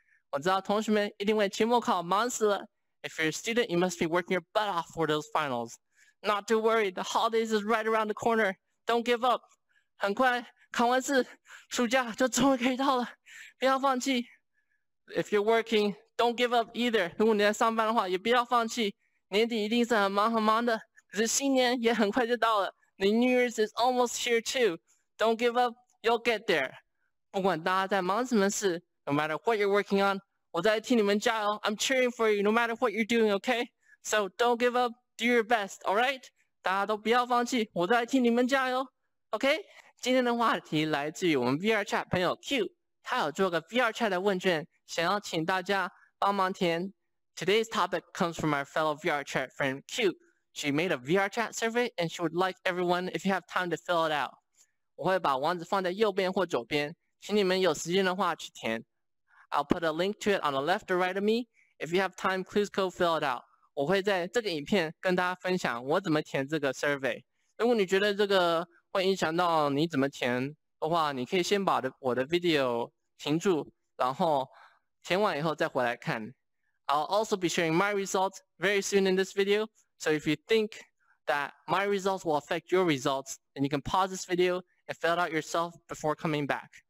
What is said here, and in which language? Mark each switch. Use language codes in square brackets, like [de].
[zh] 我知道同学们一定为期末考忙死了。 [en] If you're a student, you must be working your butt off for those finals. Not to worry, the holidays is right around the corner, don't give up. [zh] 很快考完试暑假就终于可以到了不要放弃。 [en] If you're working, don't give up either, [zh] 如果你在上班的话也不要放弃。年底一定是很忙很忙的，可是新年也很快就到了。 [en] The New Year's is almost here too. Don't give up, you'll get there. [zh] 不管大家在忙什么事 ， [en] No matter what you're working on, [zh] 我在替你们加油。 [en] I'm cheering for you, no matter what you're doing, okay? So don't give up, do your best, all right? [zh] 大家都不要放弃，我在替你们加油。 Okay? 今天的话题来自于我们 VRChat 朋友 Q， 他有做个 VRChat 的问卷，想要请大家帮忙填。 [en] Today's topic comes from our fellow VRChat friend Q. She made a VRChat survey and she would like everyone if you have time to fill it out. [zh] 我会把网址放在右边或左边，请你们有时间的话去填。 [en] I'll put a link to it on the left or right of me. If you have time, please go fill it out. [zh] 我会在这个影片跟大家分享我怎么填这个 survey。如果你觉得这个会影响到你怎么填的话，你可以先把我的 video 停住，然后填完以后再回来看。 [en] I'll also be sharing my results very soon in this video. So if you think that my results will affect your results, then you can pause this video and fill it out yourself before coming back.